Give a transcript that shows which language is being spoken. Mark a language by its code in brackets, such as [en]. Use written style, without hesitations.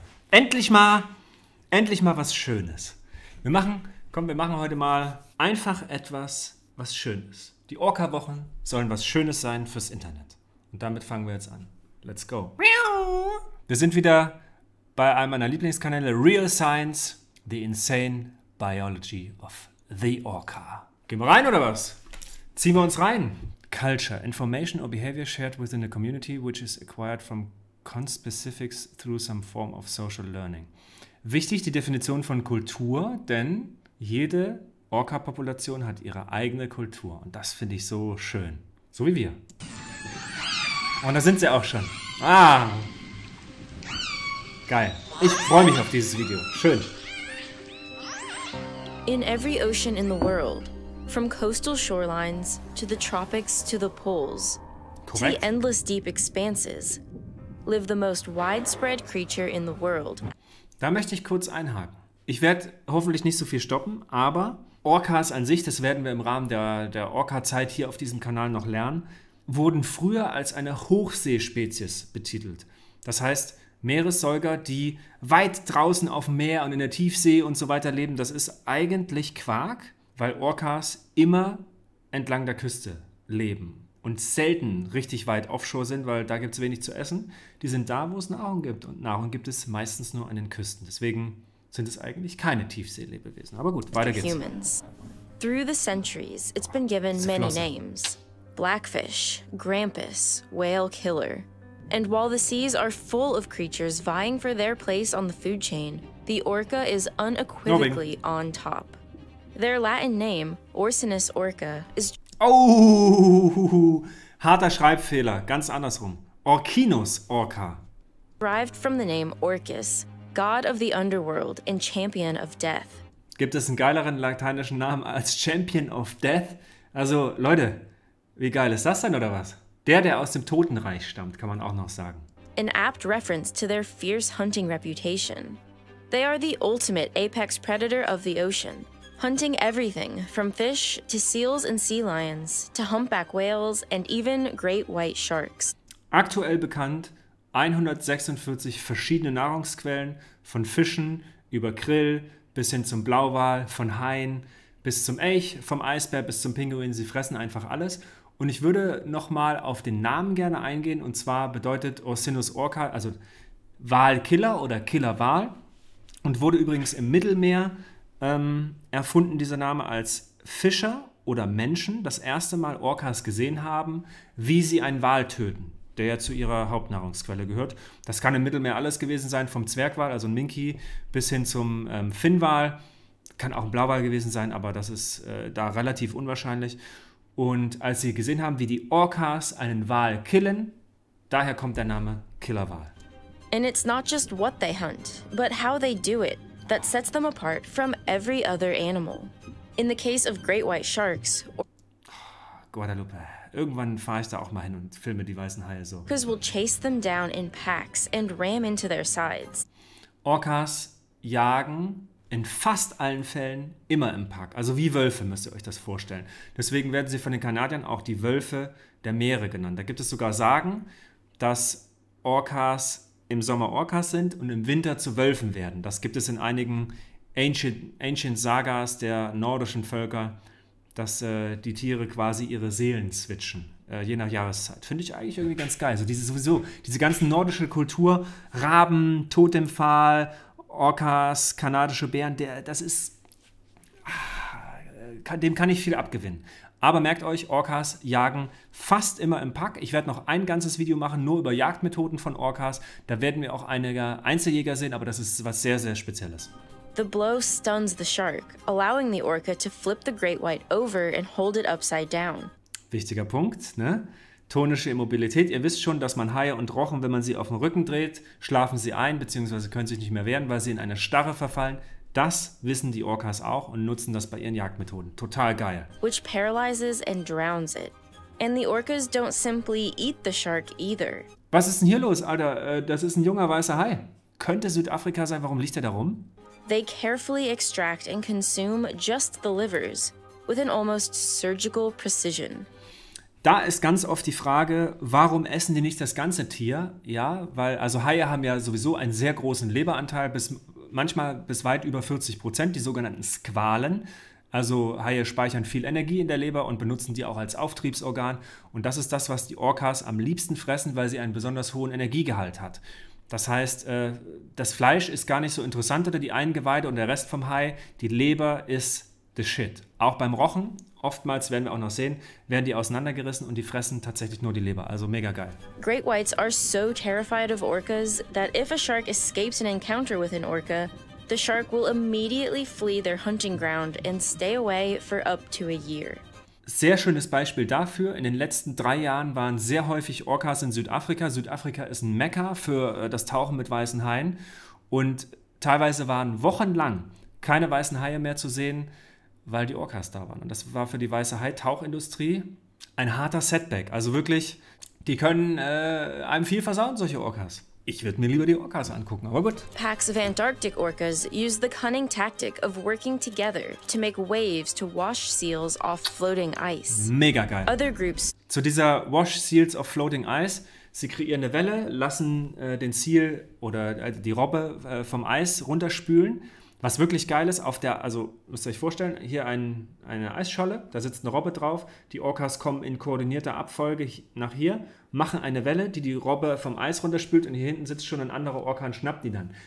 [de] Endlich mal was Schönes. Wir machen heute mal einfach etwas, was Schönes. Die Orca-Wochen sollen was Schönes sein fürs Internet. Und damit fangen wir jetzt an. [en] Let's go. [de] Wir sind wieder bei einem meiner Lieblingskanäle, Real Science, The Insane Biology of the Orca. Gehen wir rein, oder was? Ziehen wir uns rein. [en] Culture, information or behavior shared within a community which is acquired from conspecifics through some form of social learning. [de] Wichtig, die Definition von Kultur, denn jede Orca-Population hat ihre eigene Kultur. Und das finde ich so schön. So wie wir. Und da sind sie auch schon. Ah! Geil. Ich freue mich auf dieses Video. Schön. [en] In every ocean in the world, from coastal shorelines to the tropics to the poles, correct, to the endless deep expanses, live the most widespread creature in the world. [de] Da möchte ich kurz einhaken. Ich werde hoffentlich nicht so viel stoppen, aber Orcas an sich, das werden wir im Rahmen der Orca-Zeit hier auf diesem Kanal noch lernen, wurden früher als eine Hochseespezies betitelt. Das heißt, Meeressäuger, die weit draußen auf dem Meer und in der Tiefsee und so weiter leben, das ist eigentlich Quark, weil Orcas immer entlang der Küste leben und selten richtig weit offshore sind, weil da gibt es wenig zu essen. Die sind da, wo es Nahrung gibt. Und Nahrung gibt es meistens nur an den Küsten. Deswegen sind es eigentlich keine Tiefseelebewesen. Aber gut, weiter geht's. [en] Humans. Through the centuries, it's been given many names. Blackfish, Grampus, Whale Killer. And while the seas are full of creatures vying for their place on the food chain, the orca is unequivocally on top. Their Latin name, Ursinus orca, is... [de] Oh, harter Schreibfehler, ganz andersrum. Orcinus orca. [en] Derived from the name Orcus, god of the underworld and champion of death. [de] Gibt es einen geileren lateinischen Namen als [en] Champion of Death? [de] Also, Leute, wie geil ist das denn, oder was? Der aus dem Totenreich stammt, kann man auch noch sagen. [en] An apt reference to their fierce hunting reputation. They are the ultimate apex predator of the ocean, hunting everything from fish to seals and sea lions to humpback whales and even great white sharks. [de] Aktuell bekannt 146 verschiedene Nahrungsquellen von Fischen über Krill bis hin zum Blauwal, von Haien bis zum Elch, vom Eisbär bis zum Pinguin. Sie fressen einfach alles. Und ich würde nochmal auf den Namen gerne eingehen. Und zwar bedeutet Ursinus Orca, also Walkiller oder Killerwal. Und wurde übrigens im Mittelmeer erfunden, dieser Name, als Fischer oder Menschen das erste Mal Orcas gesehen haben, wie sie einen Wal töten, der ja zu ihrer Hauptnahrungsquelle gehört. Das kann im Mittelmeer alles gewesen sein, vom Zwergwal, also ein Minki, bis hin zum Finnwal. Kann auch ein Blauwal gewesen sein, aber das ist da relativ unwahrscheinlich. Und als sie gesehen haben, wie die Orcas einen Wal killen, daher kommt der Name Killerwal. [en] And it's not just what they hunt, but how they do it that sets them apart from every other animal. In the case of great white sharks, [de] Guadalupe, irgendwann fahre ich da auch mal hin und filme die weißen Haie so. [en] Orcas will chase them down in packs and ram into their sides. [de] Orcas jagen in fast allen Fällen immer im Pack. Also wie Wölfe, müsst ihr euch das vorstellen. Deswegen werden sie von den Kanadiern auch die Wölfe der Meere genannt. Da gibt es sogar Sagen, dass Orcas im Sommer Orcas sind und im Winter zu Wölfen werden. Das gibt es in einigen [en] Ancient Sagas [de] der nordischen Völker. dass die Tiere quasi ihre Seelen switchen, je nach Jahreszeit. Finde ich eigentlich irgendwie ganz geil. So diese, sowieso, diese ganze nordische Kultur, Raben, Totempfahl, Orcas, kanadische Bären, das ist, dem kann ich viel abgewinnen. Aber merkt euch, Orcas jagen fast immer im Pack. Ich werde noch ein ganzes Video machen, nur über Jagdmethoden von Orcas. Da werden wir auch einige Einzeljäger sehen, aber das ist was sehr, sehr Spezielles. [en] The blow stuns the shark, allowing the orca to flip the great white over and hold it upside down. [de] Wichtiger Punkt, ne? Tonische Immobilität. Ihr wisst schon, dass man Haie und Rochen, wenn man sie auf den Rücken dreht, schlafen sie ein, beziehungsweise können sich nicht mehr wehren, weil sie in eine Starre verfallen. Das wissen die Orcas auch und nutzen das bei ihren Jagdmethoden. Total geil. [en] Which paralyzes and drowns it. And the orcas don't simply eat the shark either. [de] Was ist denn hier los, Alter? Das ist ein junger weißer Hai. Könnte Südafrika sein? Warum liegt er da rum? [en] They carefully extract and consume just the livers with an almost surgical precision. [de] Da ist ganz oft die Frage, warum essen die nicht das ganze Tier? Ja, weil also Haie haben ja sowieso einen sehr großen Leberanteil, bis weit über 40%, die sogenannten Squalen. Also Haie speichern viel Energie in der Leber und benutzen die auch als Auftriebsorgan. Und das ist das, was die Orcas am liebsten fressen, weil sie einen besonders hohen Energiegehalt hat. Das heißt, das Fleisch ist gar nicht so interessant oder die Eingeweide und der Rest vom Hai. Die Leber ist [en] the shit. [de] Auch beim Rochen, oftmals werden wir auch noch sehen, werden die auseinandergerissen und die fressen tatsächlich nur die Leber. Also mega geil. [en] Great whites are so terrified of orcas that if a shark escapes an encounter with an orca, the shark will immediately flee their hunting ground and stay away for up to a year. [de] Sehr schönes Beispiel dafür. In den letzten 3 Jahren waren sehr häufig Orcas in Südafrika. Südafrika ist ein Mekka für das Tauchen mit weißen Haien. Und teilweise waren wochenlang keine weißen Haie mehr zu sehen, weil die Orcas da waren. Und das war für die weiße Hai-Tauchindustrie ein harter Setback. Also wirklich, die können einem viel versauen, solche Orcas. Ich würde mir lieber die Orcas angucken, aber gut. [en] Packs of Antarctic orcas use the cunning tactic of working together to make waves to wash seals off floating ice. [de] Mega geil. [en] Other groups. [de] Zu dieser [en] wash seals off floating ice, [de] sie kreieren eine Welle, lassen den Seal oder die Robbe vom Eis runterspülen. Was wirklich geil ist, auf der, also müsst ihr euch vorstellen, hier eine Eisscholle, da sitzt eine Robbe drauf. Die Orcas kommen in koordinierter Abfolge nach hier, machen eine Welle, die Robbe vom Eis runterspült und hier hinten sitzt schon ein anderer Orca und schnappt die dann.